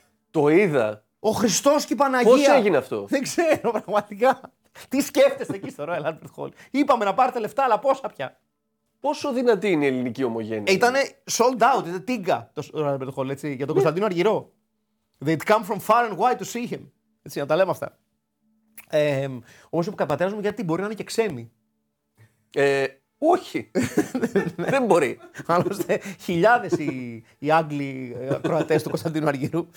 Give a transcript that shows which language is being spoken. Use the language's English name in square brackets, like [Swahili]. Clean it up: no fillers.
[Greek] Το είδα. Ο Χριστός και η Παναγία. Πώς έγινε αυτό. Δεν ξέρω πραγματικά. Τι σκέφτεστε εκεί στο Royal Albert Hall. Είπαμε να πάρετε λεφτά, αλλά πόσα πια. Πόσο δυνατή είναι η ελληνική ομογένεια. Ήτανε sold out, ήταν τίγκα το Royal Albert Hall, έτσι, για τον Κωνσταντίνο Αργυρό. [English] They'd come from far and wide to see him. [Greek] Έτσι, να τα λέμε αυτά. Όμως είπε ο πατέρας μου, γιατί μπορεί να είναι και ξένοι. Όχι. Δεν μπορεί. Άλλωστε, χιλιάδες οι Άγγλοι ακροατές του Κωνσταντίνου Αργυρού.